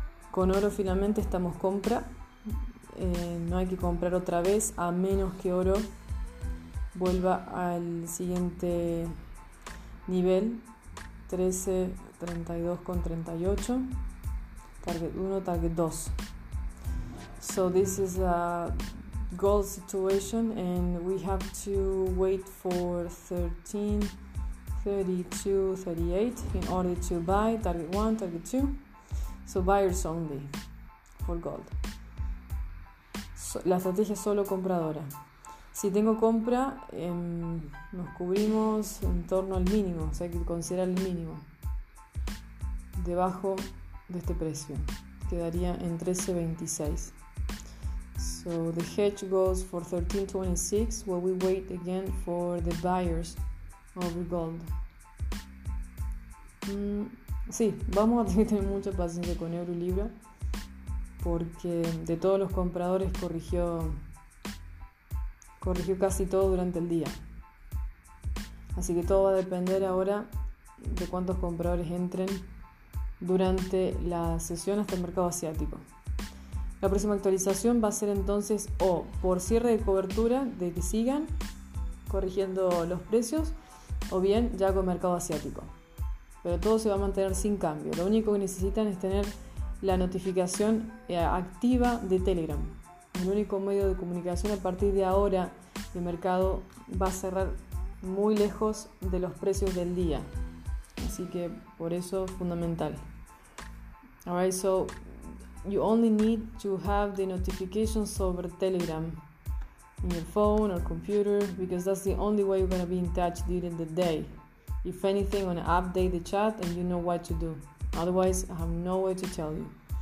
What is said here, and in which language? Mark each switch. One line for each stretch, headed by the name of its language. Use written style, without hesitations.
Spanish: Con oro finalmente estamos compra, no hay que comprar otra vez a menos que oro vuelva al siguiente nivel, 13.32.38, target 1, target 2.
English: So this is a gold situation and we have to wait for 13.32.38 in order to buy target 1, target 2. So buyers only for gold. So,
Spanish: la estrategia es solo compradora. Si tengo compra, nos cubrimos en torno al mínimo, o sea, hay que considerar el mínimo debajo de este precio. Quedaría en 13.26.
English: So the hedge goes for 13.26, while we wait again for the buyers of the gold.
Spanish: Sí, vamos a tener que tener mucha paciencia con euro y libra, porque de todos los compradores corrigió casi todo durante el día. Así que todo va a depender ahora de cuántos compradores entren durante la sesión hasta el mercado asiático. La próxima actualización va a ser entonces o por cierre de cobertura de que sigan corrigiendo los precios o bien ya con mercado asiático. Pero todo se va a mantener sin cambio. Lo único que necesitan es tener la notificación activa de Telegram. El único medio de comunicación a partir de ahora de mercado va a cerrar muy lejos de los precios del día. Así que por eso es fundamental.
English: Alright, so you only need to have the notifications over Telegram in your phone or computer because that's the only way you're going to be in touch during the day. If anything, I'm going to update the chat and you know what to do. Otherwise, I have no way to tell you.